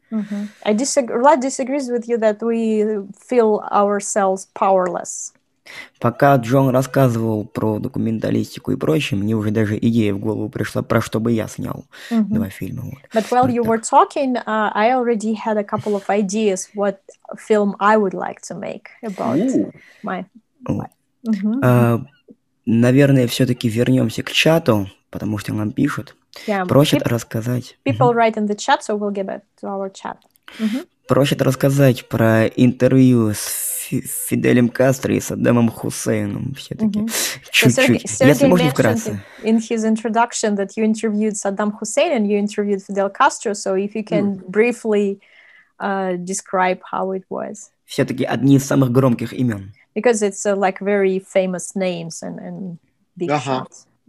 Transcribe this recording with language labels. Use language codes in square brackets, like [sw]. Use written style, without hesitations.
[en] Uh-huh. I disagree with you that we feel ourselves powerless. [ru] Пока Джон рассказывал про документалистику и прочее, мне уже даже идея в голову пришла, про что бы я снял mm-hmm. два фильма. Вот. [en] But while [ru] вот [en] you [ru] так. [en] were talking, I already had a couple of ideas what film I would like to make about my... [ru] Наверное, все-таки вернемся к чату, потому что нам пишут, просят рассказать. [en] People write in the chat, so we'll get back to our chat. [ru] Просят рассказать про интервью с Фиделем Кастро и Саддамом Хусейном. Все-таки чуть-чуть. Если можно вкратце. [en] In his introduction that you interviewed Saddam Hussein and you interviewed Fidel Castro, so if you can briefly describe how it was. [ru] Все-таки одни из самых громких имен. [en] Because it's like very famous names and big shots.